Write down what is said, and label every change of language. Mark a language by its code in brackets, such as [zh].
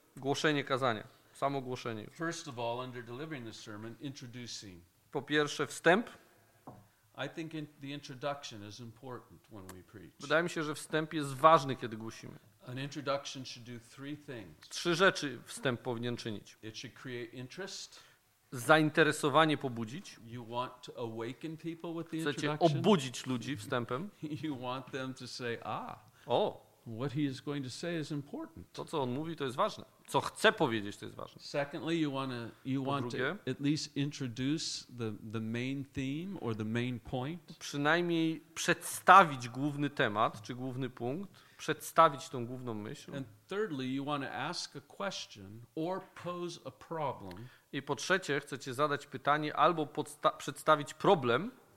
[pl] Głoszenie kazania, samo głoszenie. [en] First of all, under delivering the sermon, introducing. [pl] Po pierwsze, wstęp. [en] I think the introduction is important when we preach. [pl] Wydaje mi się, że wstęp jest ważny, kiedy głosimy. [en] An introduction should do three things. [pl] Trzy rzeczy wstęp powinien czynić. [en] It should create interest. [pl] zainteresowanie pobudzić. [en] You want to awaken people with the introduction. [pl] Chcecie obudzić ludzi wstępem. [en] You want them to say, ah. O. What he is going to say is important. [pl] To, co on mówi, to jest ważne. Co chce powiedzieć, to jest ważne. [en] Secondly, you want to at least introduce the main theme or the main point. [pl] Przynajmniej przedstawić główny temat czy główny punkt, przedstawić tą główną myśl. [en] And thirdly, you want to ask a question or pose a problem. [pl] I po trzecie, chcecie zadać pytanie albo przedstawić problem,